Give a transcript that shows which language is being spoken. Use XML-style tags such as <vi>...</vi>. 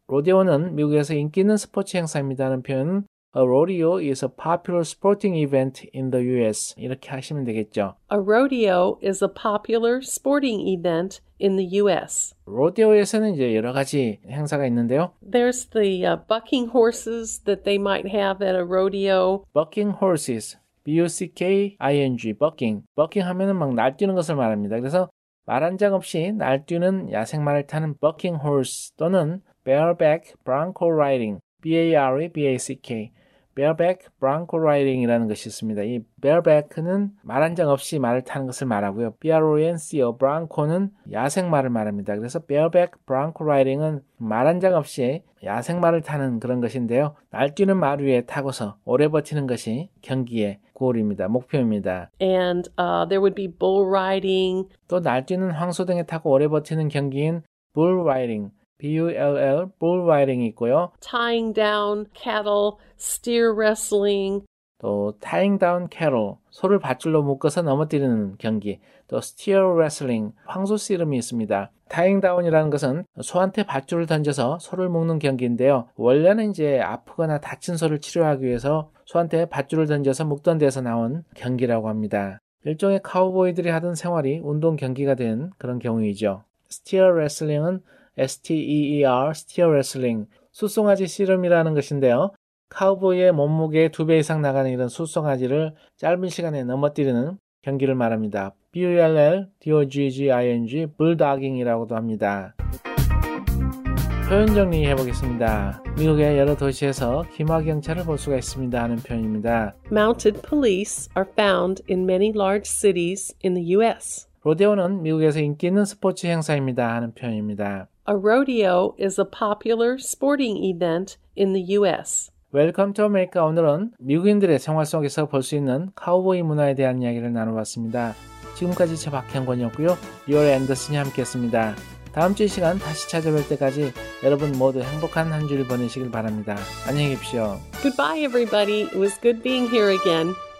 <ko>로데오는 미국에서 인기 있는 스포츠 행사입니다는 표현은</ko> <en>A rodeo is a popular sporting event in the U.S.</en> <ko>이렇게 하시면 되겠죠.</ko> <en>A rodeo is a popular sporting event in the U.S.</en> <ko>로데오에서는 이제 여러 가지 행사가 있는데요.</ko> <en>There's the bucking horses that they might have at a rodeo. Bucking horses, B-U-C-K-I-N-G, bucking.</en> <ko>Bucking 하면은 막 날뛰는 것을 말합니다. 그래서 말 한 장 없이 날뛰는 야생마를 타는 bucking horse 또는 bareback bronco riding. B-A-R-E-B-A-C-K, bareback bronco riding이라는 것이 있습니다. 이 bareback는 말 한 장 없이 말을 타는 것을 말하고요. B-R-O-N-C-O, bronco는 야생말을 말합니다. 그래서 bareback bronco riding은 말 한 장 없이 야생말을 타는 그런 것인데요. 날뛰는 말 위에 타고서 오래 버티는 것이 경기의 골입니다. 목표입니다.</ko> <en>And there would be bull riding.</en> <ko>또 날뛰는 황소등에 타고 오래 버티는 경기인 bull riding. B-U-L-L, bull riding이 있고요.</ko> <en>Tying down cattle, steer wrestling.</en> <ko>또 tying down cattle, 소를 밧줄로 묶어서 넘어뜨리는 경기. 또 steer wrestling, 황소 씨름이 있습니다. Tying down이라는 것은 소한테 밧줄을 던져서 소를 묶는 경기인데요. 원래는 이제 아프거나 다친 소를 치료하기 위해서 소한테 밧줄을 던져서 묶던 데서 나온 경기라고 합니다. 일종의 카우보이들이 하던 생활이 운동 경기가 된 그런 경우이죠. Steer wrestling은 S-T-E-E-R, steer wrestling, 숫송아지 씨름이라는 것인데요. 카우보이의 몸무게 2배 이상 나가는 이런 숫송아지를 짧은 시간에 넘어뜨리는 경기를 말합니다. B-U-L-L, D-O-G-G-I-N-G, bulldogging이라고도 합니다. 표현 정리해보겠습니다. 미국의 여러 도시에서 기마경찰을 볼 수가 있습니다 하는 표현입니다.</ko> <en>Mounted police are found in many large cities in the U.S.</en> <ko>로데오는 미국에서 인기 있는 스포츠 행사입니다 하는 표현입니다.</ko> <en>A rodeo is a popular sporting event in the U.S. Welcome to America.</en> <ko>오늘은 미국인들의 생활 속에서 볼 수 있는 카우보이 문화에 대한 이야기를 나눠봤습니다. 지금까지 저 박형권이었고요. 리얼 앤더슨이 함께했습니다. 다음 주 이 시간 다시 찾아뵐 때까지 여러분 모두 행복한 한 주를 보내시길 바랍니다. 안녕히 계십시오.</ko> <en>Goodbye, everybody. It was good being here again.</en>